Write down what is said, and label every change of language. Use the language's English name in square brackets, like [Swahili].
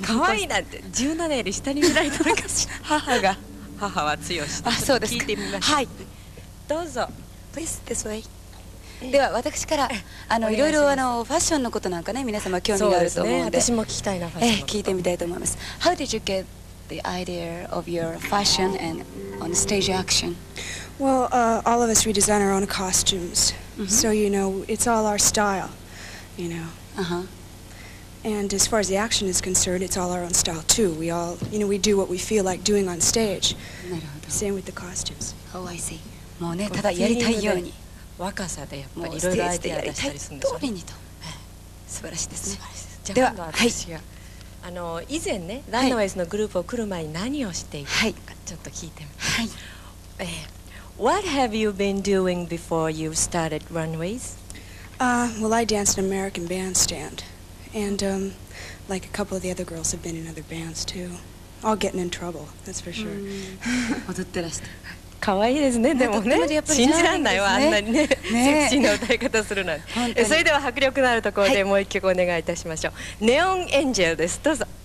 [Japanese] 可愛いなんて17年より下に見られたのかしら。母が、母は強し、あ、そうですか。聞いてみます。はい、どうぞ。 [English] Please this way。 [Japanese] では私からあのいろいろあのファッションのことなんかね、皆様興味があると思うので、そうですね、私も聞きたいな、ファッションのこと聞いてみたいと思います。 [English] How did you get the idea of your fashion and on stage action? Well, all of us, we design our own costumes, mm-hmm. so, you know, it's all our style, you know. Uh-huh. And as far as the action is concerned, it's all our own style, too. We all, you know, we do what we feel like doing on stage. [Japanese] なるほど。 [English] Same with the costumes. Oh, I see. [Japanese] もうね、ただやりたいように。若さでやっぱりいろいろアイデア出したりするんですよ。通りにと。素晴らしいですね。じゃあ、今度私が、はい、あの、以前ね、ランナウェイズのグループを来る前に何をしていたのか、ちょっと聞いてみて。はい。 [English] What have you been doing before you started Runaways? Well, I dance in American Bandstand. And like a couple of the other girls have been in other bands too. All getting in trouble, that's for sure. [Japanese] 踊ってらした。かわいいですね、でもね。とってもやっぱり信じらんないわ、あんなにね。セクシーな歌い方するなんて。それでは迫力のあるところでもう一曲お願いいたしましょう。ネオンエンジェルです。どうぞ。